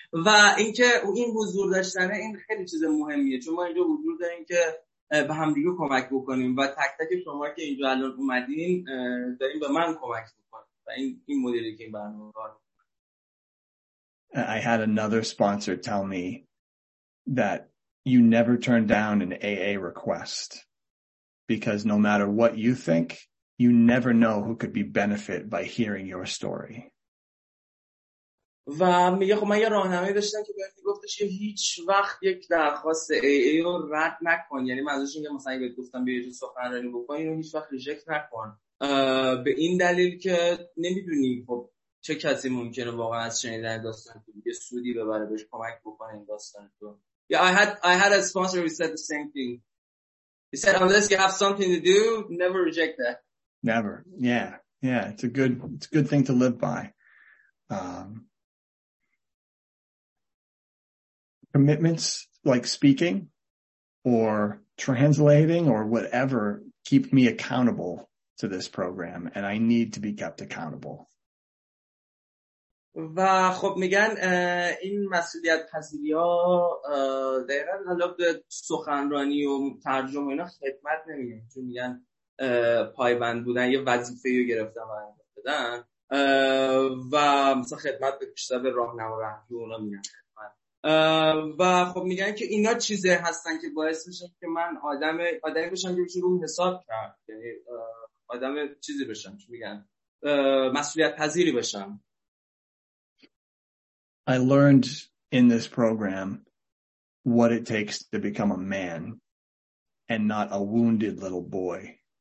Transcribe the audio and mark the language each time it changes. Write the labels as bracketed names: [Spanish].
[Persian] و اینکه این حضور داشتن این خیلی چیز مهمیه چون ما اینجا حضور داریم که به هم دیگه کمک بکنیم و تک تک شما که اینجا الان اومدین دارین به من کمک میکنین و این مدلی که این برنامه رو [English] I had another sponsor tell me that you never turn down an AA request because no matter what you think, you never know who could be benefit by hearing your story. [Persian] و میگه خب من یه راهنمایی داشتم که بهم گفتش که هیچ وقت یک درخواست AA رو رد نکن. یعنی منظورش اینه که مثلا اگه گفتم بیا یه سخنرانی بکن اینو هیچ وقت ریجکت نکن. به این دلیل که نمیدونی خب چه کسی ممکنه واقعا از شنیدن داستان تو یه سودی ببره بهش کمک بکنه این داستان تو. [English] I had a sponsor who said the same thing. He said unless you have something to do, never reject that. Never. Yeah. It's a good thing to live by. Commitments like speaking or translating or whatever keep me accountable to this program and I need to be kept accountable. [Persian] و خب میگن این مسئولیت پذیری ها دقیقاً حالا به سخنرانی و ترجمه اینا خدمت نمیگن چون میگن پایبند بودن یه وظیفه رو گرفتن و انجام دادن و مثلا خدمت به بیشتر به راهنما و رهبری اونا میگن و خب میگن که اینا چیزه هستن که باعث میشن که من آدمی بشم که بشه رو حساب کرد یعنی آدم چیزی بشم چون میگن مسئولیت پذیری بشم. [English] I learned in this program what it takes to become a man and not a wounded little boy.